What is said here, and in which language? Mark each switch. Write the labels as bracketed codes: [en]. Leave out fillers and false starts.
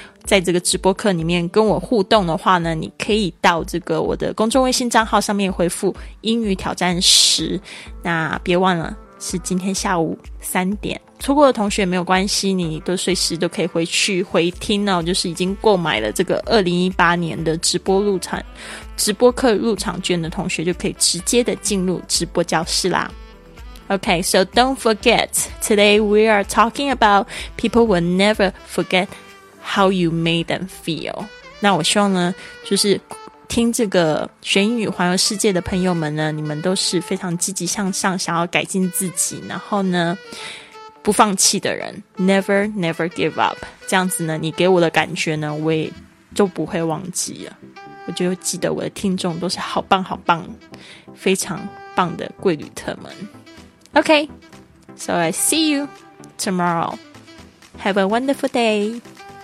[zh] 在这个直播课里面跟我互动的话呢，你可以到这个我的公众微信账号上面回复英语挑战10，那别忘了是今天下午三点，错过的同学没有关系，你都随时都可以回去回听哦。就是已经购买了这个2018年的直播课入场券的同学就可以直接的进入直播教室啦。 [en] OK, so don't forget, today we are talking about people will never forget how you made them feel. [zh] 那我希望呢，就是听这个学英语环游世界的朋友们呢，你们都是非常积极向上，想要改进自己，然后呢不放弃的人， [en] Never never give up, [zh] 这样子呢你给我的感觉呢我也就不会忘记了，我就记得我的听众都是好棒好棒非常棒的贵旅特们。 [en] OK, so I see you tomorrow. Have a wonderful day.